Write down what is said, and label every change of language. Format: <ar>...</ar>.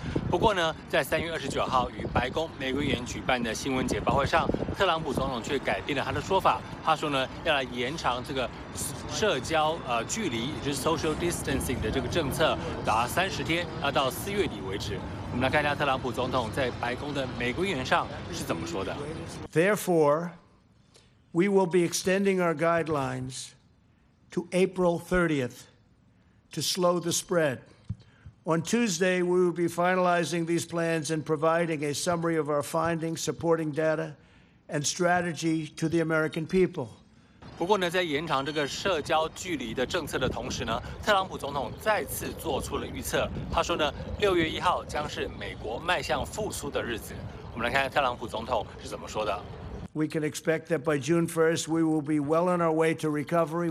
<zh>不过呢，在3月29号与白宫玫瑰园举办的新闻简报会上，特朗普总统却改变了他的说法。他说呢，要来延长这个社交距离，也就是 social distancing 的这个政策，达30天，要到4月底为止。我们来看一下特朗普总统在白宫的玫瑰园上是怎么说的。</zh> <en>Therefore, we will be extending our guidelines to April 30th to slow the spread. On Tuesday, we will be finalizing these plans and providing a summary of our findings, supporting data, and strategy to the American people.</en> <zh>不过呢，在延长这个社交距离的政策的同时呢，特朗普总统再次做出了预测。他说呢，6月1号将是美国迈向复苏的日子。我们来看看特朗普总统是怎么说的。</zh> <en>We can expect that by June 1st, we will be well on our way to recovery.</en>